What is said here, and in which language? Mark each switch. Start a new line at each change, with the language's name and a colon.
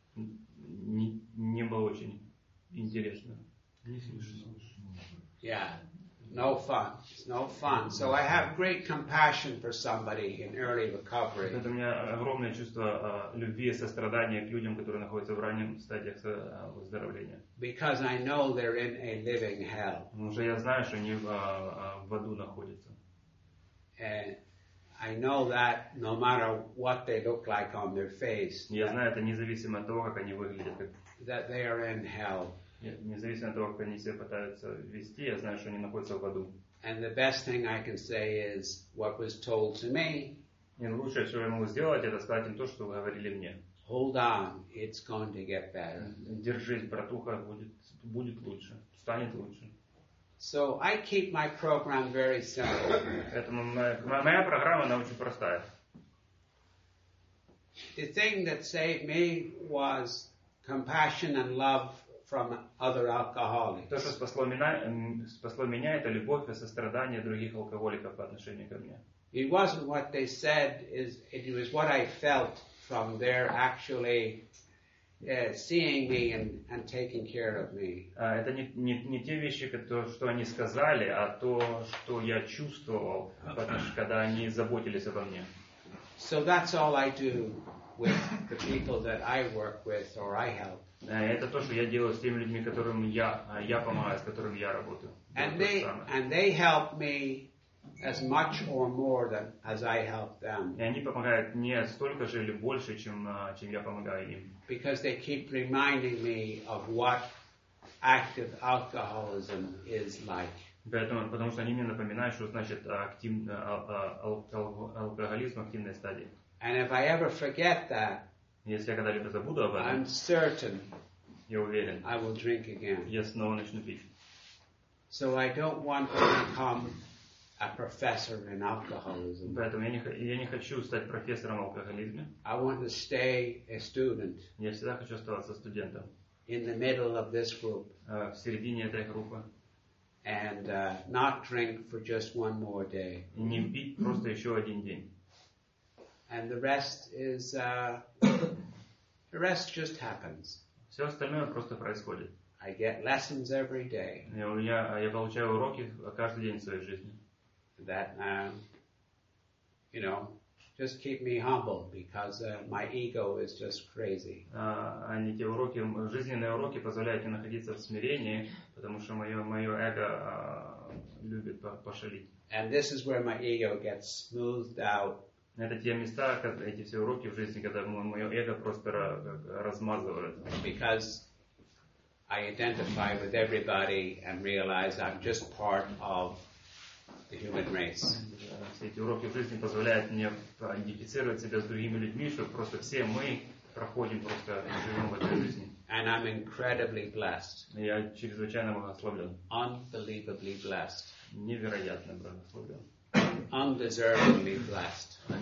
Russian: Не было очень интересно.
English: Yeah, no fun. It's no fun. So I have great compassion for somebody in early recovery.
Russian: Это у меня огромное чувство любви и сострадания к людям, которые находятся в раннем стадиях выздоровления.
English: Because I know they're in a living hell.
Russian: Потому что я знаю, что они в аду находятся.
English: And I know that no matter what they look like on their face.
Russian: Я знаю это независимо от того, как они выглядят.
English: That they are in hell.
Russian: Независимо от того, как они себя пытаются вести, я знаю, что они находятся в аду.
English: And the best thing I can say is what was told to me.
Russian: И лучшее, что я могу сделать, это сказать им то, что вы говорили мне.
English: Hold on, it's going to get better.
Russian: Держись, братуха, будет лучше, станет лучше.
English: So I keep my program very simple.
Russian: Поэтому моя программа она очень простая.
English: The thing that saved me was compassion and love from other alcoholics.
Russian: То, что спасло меня, это любовь и сострадание других алкоголиков по отношению ко мне.
English: It wasn't what they said, it was what I felt from their actually seeing me and taking care of me.
Russian: Это не те вещи, что они сказали, а то, что я чувствовал, когда они заботились обо мне.
English: So that's all I do with the people that I work with or I help.
Russian: Это то, что я делаю с теми людьми, которым я помогаю, с которыми я работаю.
English: And they help me as much or more than as I help them.
Russian: И они помогают мне столько же или больше, чем я помогаю им.
English: Because they keep reminding me of what active alcoholism is like.
Russian: Потому что они мне напоминают, что значит алкоголизм активной стадии.
English: And if I ever forget that,
Russian: если я когда-либо забуду об этом,
English: I'm certain,
Russian: я уверен,
English: I will drink again.
Russian: Я снова начну пить.
English: So I don't want to become a professor in alcoholism.
Russian: Поэтому я не хочу стать профессором в алкоголизме.
English: I want to stay a student.
Russian: Я всегда хочу оставаться студентом.
English: In the middle of this group.
Russian: В середине этой группы.
English: And not drink for just one more day.
Russian: И не пить просто еще один день.
English: And the rest is the rest just happens.
Russian: Все остальное просто происходит.
English: I get lessons every day.
Russian: Я получаю уроки каждый день в своей жизни.
English: That you know, just keep me humble because my ego is just crazy.
Russian: Они те уроки, жизненные уроки, позволяют мне находиться в смирении, потому что мое эго любит пошалить.
English: And this is where my ego gets smoothed out.
Russian: Это те места, эти все уроки в жизни, когда мое эго просто размазывает.
English: Because I identify with everybody and realize I'm just part of the human race.
Russian: Все эти уроки в жизни позволяют мне идентифицировать себя с другими людьми, что просто все мы проходим просто живем в этой жизни.
English: And I'm incredibly blessed.
Russian: Я чрезвычайно благословлен.
English: Unbelievably blessed.
Russian: Невероятно благословлен.
English: Undeservedly blessed.